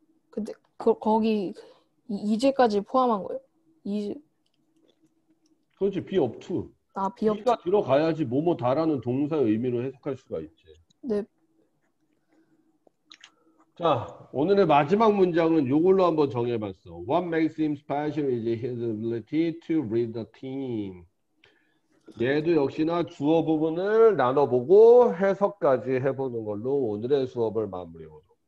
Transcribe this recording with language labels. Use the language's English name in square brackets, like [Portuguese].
[Korean] 근데 거기 이제까지 포함한 거예요? 이제 그렇지, [English] be up to. 아 [Korean] 비가 들어가야지 뭐뭐다라는 동사의 의미로 해석할 수가 있지. 네. 자, 오늘의 마지막 문장은 이걸로 한번 정해봤어. [English] What makes him special is his ability to read the team. [Korean] 얘도 역시나 주어 부분을 나눠보고 해석까지 해보는 걸로 오늘의 수업을 마무리하고.